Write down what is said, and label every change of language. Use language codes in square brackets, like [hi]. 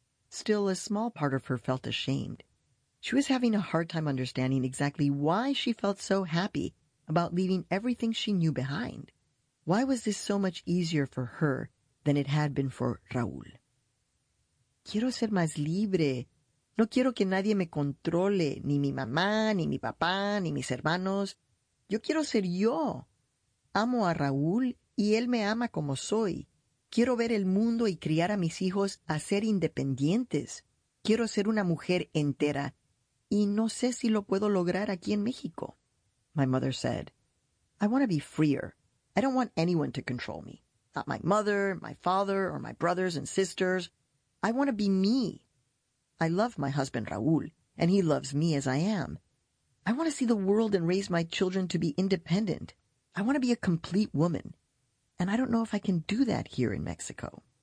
[en] Still, a small part of her felt ashamed. She was having a hard time understanding exactly why she felt so happy about leaving everything she knew behind. Why was this so much easier for her than it had been for Raúl? [es] Quiero ser más libre. No quiero que nadie me controle, ni mi mamá, ni mi papá, ni mis hermanos. Yo quiero ser yo. Amo a Raúl y él me ama como soy. Quiero ver el mundo y criar a mis hijos a ser independientes. Quiero ser una mujer entera y no sé si lo puedo lograr aquí en México. [en] My mother said, I want to be freer. I don't want anyone to control me. Not my mother, my father, or my brothers and sisters. I want to be me. I love my husband, Raúl, and he loves me as I am. I want to see the world and raise my children to be independent. I want to be a complete woman. And I don't know if I can do that here in Mexico.